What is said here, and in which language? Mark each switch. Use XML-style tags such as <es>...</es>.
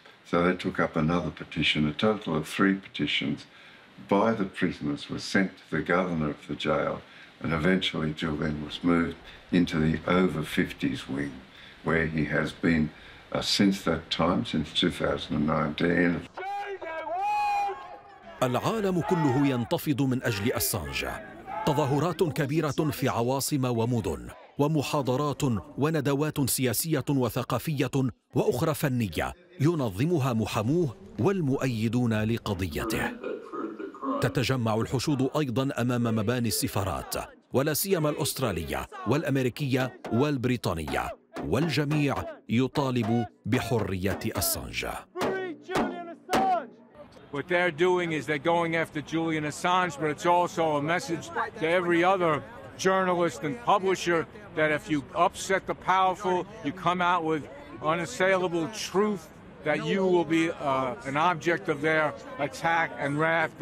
<en>So they took up another petition. A total of 3 petitions by the prisoners were sent to the governor of the jail, and eventually Julian was moved into the over 50s wing, where he has been since that time, since 2019.</en> <ar>العالم كله ينتفض من أجل أسانج. تظاهرات كبيرة في عواصم ومدن، ومحاضرات وندوات سياسية وثقافية وأخرى فنية ينظمها محاموه والمؤيدون لقضيته. تتجمع الحشود أيضاً أمام مباني السفارات، ولا سيما الأسترالية والأمريكية والبريطانية، والجميع يطالب بحرية أسانج.</ar> <en>What they're doing is they're going after Julian Assange, but it's also a message to every other journalist and publisher that if you upset the powerful, you come out with unassailable truth, that you will be an object of their attack and wrath.</en>